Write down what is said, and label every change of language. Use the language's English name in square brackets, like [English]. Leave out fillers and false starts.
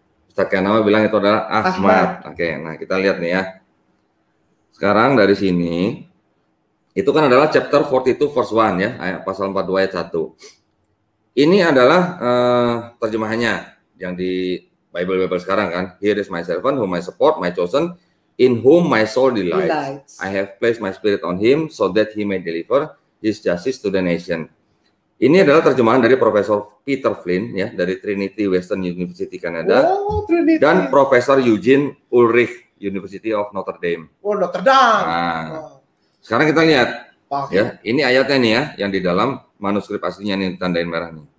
[Indonesian] Ustaz Kainama bilang itu adalah Ahmad. Oke, nah kita lihat nih ya. Sekarang dari sini, itu kan adalah [English] chapter 42 verse 1 [Indonesian] ya, pasal 42 ayat 1. Ini adalah terjemahannya yang di Bible-Bible sekarang kan. [English] Here is my servant, whom I support, my chosen, in whom my soul delights. I have placed my spirit on him, so that he may deliver his justice to the nation. [Indonesian] Ini adalah terjemahan dari Profesor Peter Flynn ya, dari Trinity Western University, Canada. Wow, dan Profesor Eugene Ulrich. University of Notre Dame. Oh, Notre Dame. Nah, sekarang kita lihat. Okay. Ya, ini ayatnya nih ya, yang di dalam manuskrip aslinya nih tandain merah nih.